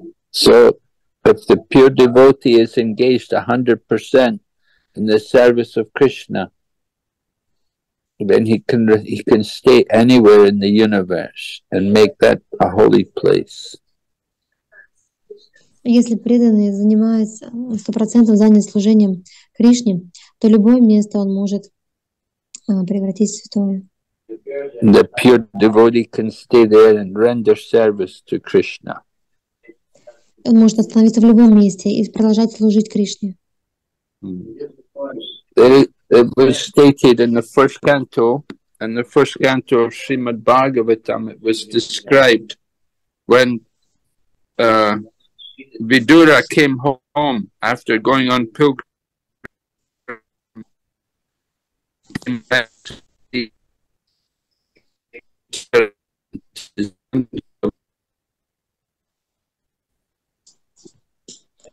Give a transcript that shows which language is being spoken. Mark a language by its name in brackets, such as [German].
[English] So, if the pure devotee is engaged 100% in the service of Krishna, then he can stay anywhere in the universe and make that a holy place. [Russian] Если преданный занимается 100% занят служением Кришне, то любое место он может превратить в святое. [English] The pure devotee can stay there and render service to Krishna. [Russian] Он может остановиться в любом месте и продолжать служить Кришне. [English] It was stated in the first canto, and the first canto of Srimad Bhagavatam, it was described when Vidura came home after going on pilgrimage.